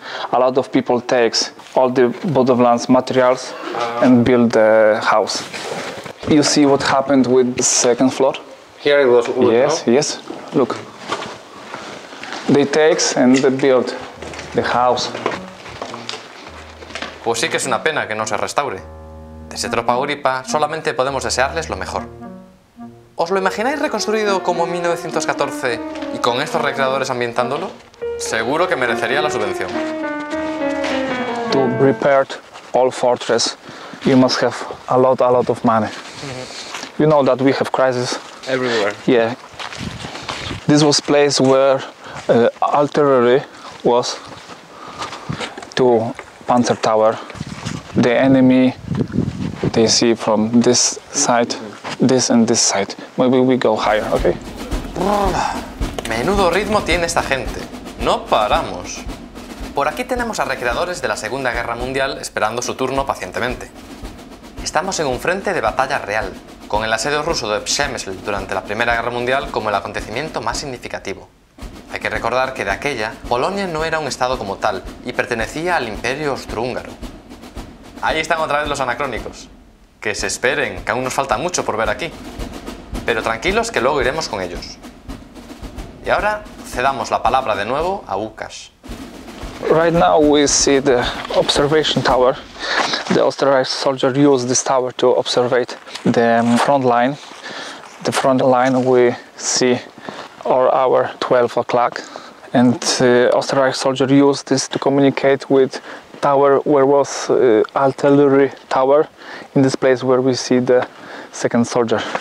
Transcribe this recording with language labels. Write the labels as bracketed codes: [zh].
[en] A lot of people takes all the Budowlan's materials and build the house. You see what happened with the second floor? Here it was. Yes, now. Yes. Look, they takes and they build the house. [es] Pues sí que es una pena que no se restaure. Desde Tropa Guripa solamente podemos desearles lo mejor. ¿Os lo imagináis reconstruido como en 1914 y con estos recreadores ambientándolo? Seguro que merecería la subvención. [en] To repair all fortress, you must have a lot of money. You know that we have crisis everywhere. Yeah. This was place where artillery was to Panzer Tower. The enemy, they see from this side, this and this side. Maybe we go higher, okay? [es] Menudo ritmo tiene esta gente. No paramos. Por aquí tenemos a recreadores de la Segunda Guerra Mundial esperando su turno pacientemente. Estamos en un frente de batalla real, con el asedio ruso de Przemysl durante la Primera Guerra Mundial como el acontecimiento más significativo. Hay que recordar que de aquella, Polonia no era un estado como tal y pertenecía al Imperio Austrohúngaro. Ahí están otra vez los anacrónicos. Que se esperen, que aún nos falta mucho por ver aquí. Pero tranquilos que luego iremos con ellos. Y ahora, cedamos la palabra de nuevo a Łukasz. [en] right now we see the observation tower. The Austrian soldier used this tower to observe the front line. The front line we see our hour 12 o'clock. And the Austrian soldier used this to communicate with tower where was artillery tower in this place where we see the second soldier.